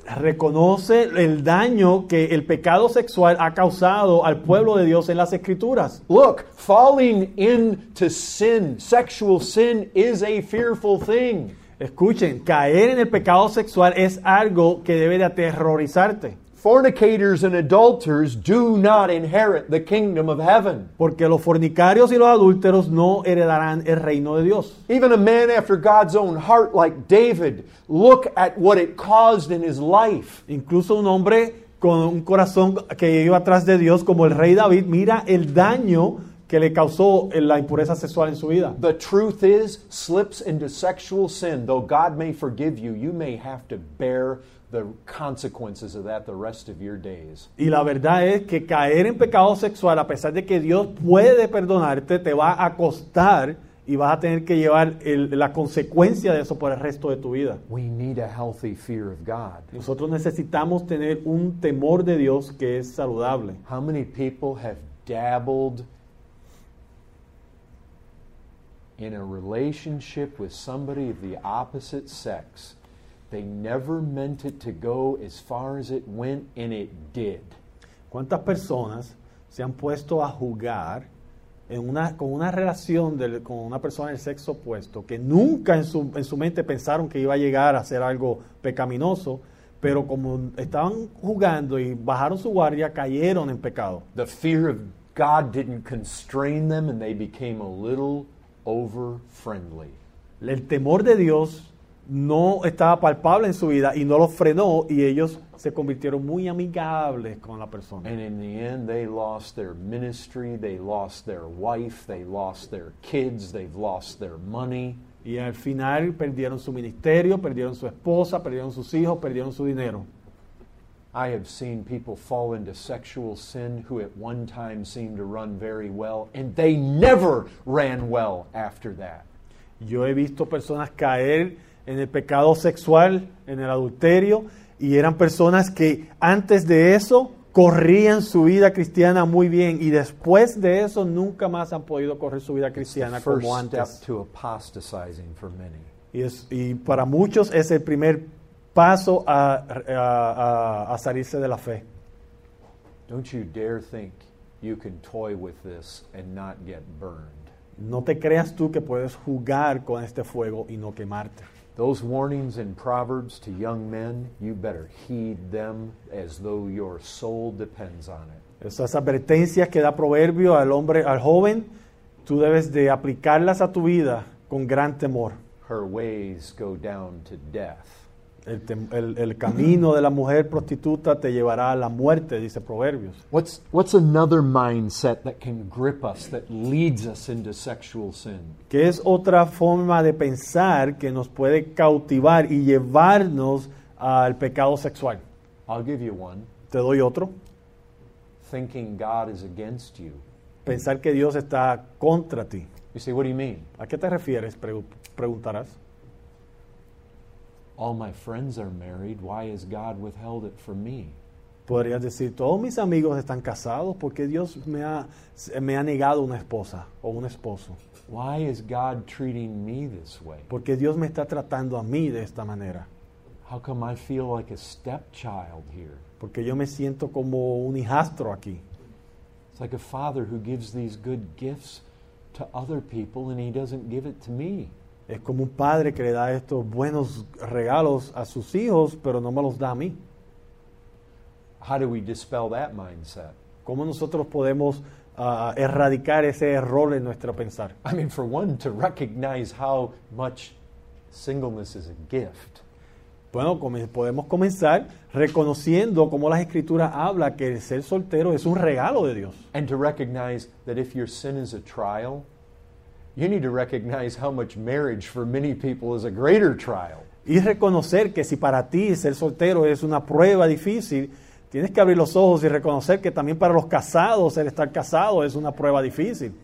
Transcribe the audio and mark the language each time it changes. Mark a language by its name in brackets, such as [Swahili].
[Spanish] Reconoce el daño que el pecado sexual ha causado al pueblo de Dios en las Escrituras. [English] Look, falling into sin, sexual sin, is a fearful thing. [Spanish] Escuchen, caer en el pecado sexual es algo que debe de aterrorizarte. [English] Fornicators and adulterers do not inherit the kingdom of heaven. [Spanish] Porque los fornicarios y los adúlteros no heredarán el reino de Dios. [English] Even a man after God's own heart like David, look at what it caused in his life. [Spanish] Incluso un hombre con un corazón que iba atrás de Dios como el rey David, mira el daño que le causó la impureza sexual en su vida. [English] The truth is, slips into sexual sin, though God may forgive you, you may have to bear the consequences of that the rest of your days. [Spanish] Y la verdad es que caer en pecado sexual, a pesar de que Dios puede perdonarte, te va a costar y vas a tener que llevar la consecuencia de eso por el resto de tu vida. [English] We need a healthy fear of God. [Spanish] Nosotros necesitamos tener un temor de Dios que es saludable. [English] How many people have dabbled in a relationship with somebody of the opposite sex? They never meant it to go as far as it went, and it did. [Spanish] ¿Cuántas personas se han puesto a jugar con una persona del sexo opuesto que nunca en su mente pensaron que iba a llegar a ser algo pecaminoso, pero como estaban jugando y bajaron su guardia, cayeron en pecado? [English] The fear of God didn't constrain them, and they became a little over-friendly. [Spanish] El temor de Dios no estaba palpable en su vida y no lo frenó, y ellos se convirtieron muy amigables con la persona. [English] And in the end, they lost their ministry, they lost their wife, they lost their kids, they've lost their money. [Spanish] Y al final perdieron su ministerio, perdieron su esposa, perdieron sus hijos, perdieron su dinero. [English] I have seen people fall into sexual sin who at one time seemed to run very well, and they never ran well after that. [Spanish] Yo he visto personas caer en el pecado sexual, en el adulterio, y eran personas que antes de eso corrían su vida cristiana muy bien, y después de eso nunca más han podido correr su vida cristiana como antes. [English] It's the first step to apostatizing for many. [Spanish] Y para muchos es el primer paso a salirse de la fe. [English] Don't you dare think you can toy with this and not get burned. [Spanish] No te creas tú que puedes jugar con este fuego y no quemarte. [English] Those warnings in Proverbs to young men, you better heed them as though your soul depends on it. [Spanish] Esas advertencias que da Proverbio al hombre, al joven, tú debes de aplicarlas a tu vida con gran temor. [English] Her ways go down to death. [Spanish] El camino de la mujer prostituta te llevará a la muerte, dice Proverbios. [English] What's another mindset that can grip us, that leads us into sexual sin? [Spanish] ¿Qué es otra forma de pensar que nos puede cautivar y llevarnos al pecado sexual? [English] I'll give you one. [Spanish] Te doy otro. [English] Thinking God is against you. [Spanish] Pensar que Dios está contra ti. [English] You say, what do you mean? [Spanish] ¿A qué te refieres? Preguntarás. [English] All my friends are married. Why has God withheld it from me? [Spanish] Podrías decir, todos mis amigos están casados. ¿Por qué Dios me ha negado una esposa o un esposo? [English] Why is God treating me this way? [Spanish] ¿Por qué Dios me está tratando a mí de esta manera? [English] How come I feel like a stepchild here? [Spanish] Porque yo me siento como un hijastro aquí. [English] It's like a father who gives these good gifts to other people and he doesn't give it to me. [Spanish] Es como un padre que le da estos buenos regalos a sus hijos, pero no me los da a mí. [English] How do we dispel that mindset? [Spanish] ¿Cómo nosotros podemos erradicar ese error en nuestro pensar? [English] I mean, for one, to recognize how much singleness is a gift. [Spanish] Bueno, podemos comenzar reconociendo cómo las Escrituras habla que el ser soltero es un regalo de Dios. [English] And to recognize that if your sin is a trial, you need to recognize how much marriage for many people is a greater trial. [Spanish] Y reconocer que si para ti ser soltero es una prueba difícil, tienes que abrir los ojos y reconocer que también para los casados el estar casado es una prueba difícil.